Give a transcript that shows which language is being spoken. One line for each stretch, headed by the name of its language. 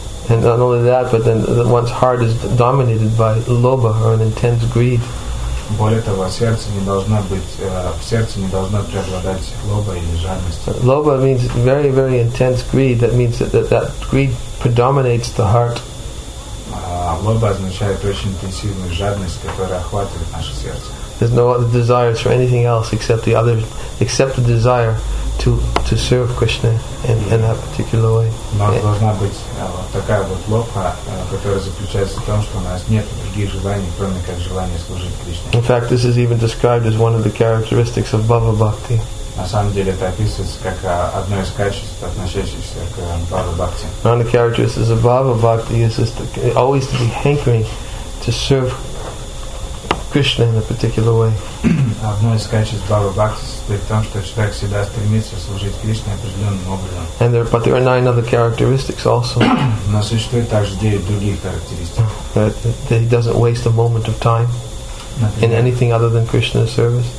English: And not only that, but then one's heart is dominated by lobha or an intense greed.
Russian: Более того, в сердце не должно преобладать лоба или жадность.
English: Лоба means very, very intense greed. That means that greed predominates the heart.
Russian: Лоба означает очень интенсивную жадность, которая охватывает наше сердце.
English: There's no other desires for anything else except the desire to serve Krishna in that particular way.
Russian: Но должна быть такая вот лобха, которая заключается в том, что у нас нет других желаний, кроме как желания служить Кришне.
English: In fact, this is even described as one of the characteristics of Bhava Bhakti.
Russian: На самом деле это описывается как одно из качеств, относящихся к Bhava Bhakti.
English: One of the characteristics of Bhava Bhakti is always to be hankering to serve Krishna in a particular way.
Russian: Одно из качеств Bhava Bhakti состоит в том, что человек всегда стремится служить Кришне определенным образом.
English: And there are 9 other characteristics also.
Russian: Но существует также 9 других характеристик.
English: That he doesn't waste a moment of time in anything other than Krishna's service.